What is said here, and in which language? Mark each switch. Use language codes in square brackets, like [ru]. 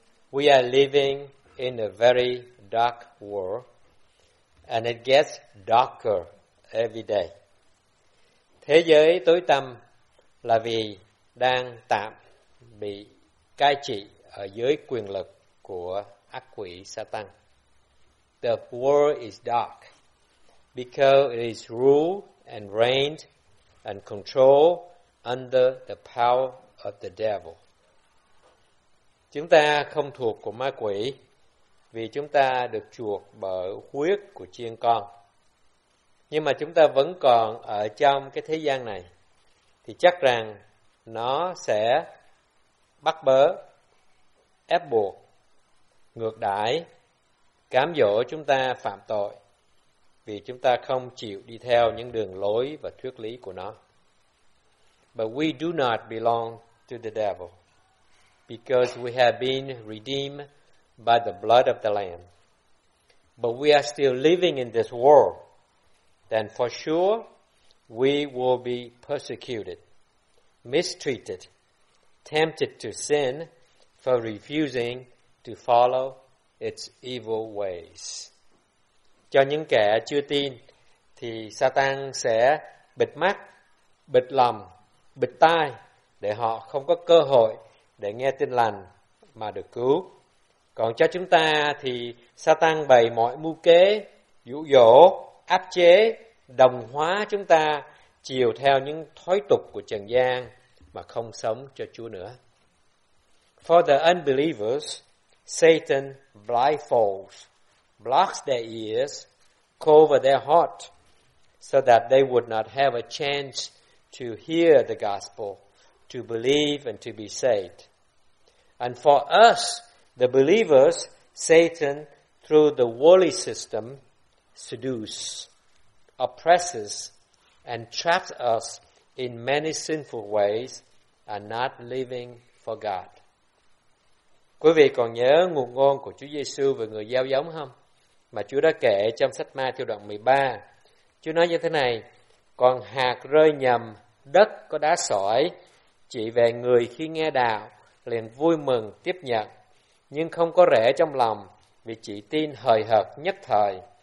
[en] We are living in a very dark world and it gets darker every day. [vi] Thế giới tối tăm là vì đang tạm bị cai trị ở dưới quyền lực của ác quỷ Satan. [en] The world is dark because it is ruled and reigned and controlled under the power of the devil. [vi] Chúng ta không thuộc của ma quỷ vì chúng ta được chuộc bởi huyết của chiên con. Nhưng mà chúng ta vẫn còn ở trong cái thế gian này thì chắc rằng nó sẽ bắt bớ, ép buộc, ngược đãi, cám dỗ chúng ta phạm tội vì chúng ta không chịu đi theo những đường lối và thuyết lý của nó. [en] But we do not belong to the devil because we have been redeemed by the blood of the Lamb. But we are still living in this world. Then for sure, we will be persecuted, mistreated, tempted to sin for refusing to follow its evil ways. [vi] Cho những kẻ chưa tin, thì Satan sẽ bịt mắt, bịt lòng, bịt tai để họ không có cơ hội để nghe tin lành mà được cứu. Còn cho chúng ta thì Satan bày mọi mưu kế, dụ dỗ, áp chế, đồng hóa chúng ta chiều theo những thói tục của trần gian mà không sống cho Chúa nữa. [en] For the unbelievers, Satan blindfolds, blocks their ears, covers their heart, so that they would not have a chance to hear the gospel, to believe and to be saved. And for us, the believers, Satan, through the worldly system, seduces, oppresses and traps us in many sinful ways and not living for God. [vi] Quý vị còn nhớ ngụ ngôn của Chúa Giêsu về người gieo giống không? Mà Chúa đã kể trong sách Ma-thi-ơ đoạn 13. Chúa nói như thế này: còn hạt rơi nhầm đất có đá sỏi, chỉ về người khi nghe đạo liền vui mừng tiếp nhận, nhưng không có rễ trong lòng vì chỉ tin hời hợt nhất thời.